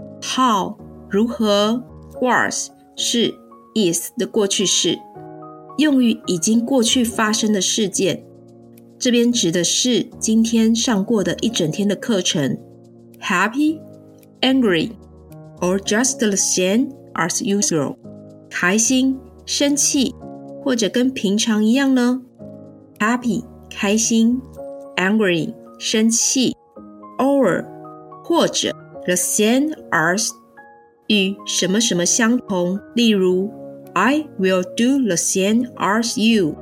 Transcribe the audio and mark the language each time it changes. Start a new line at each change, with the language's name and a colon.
Chinese: How 如何 was 是 is 的过去式，用于已经过去发生的事件，这边指的是今天上过的一整天的课程。
English: Happy, angry, or just the same as usual?
Chinese: 开心、生气，或者跟平常一样呢？
English: Happy, 开心， angry, 生气， or, 或者 the same as,
Chinese: 与什么什么相同，例如
English: I will do the same as you.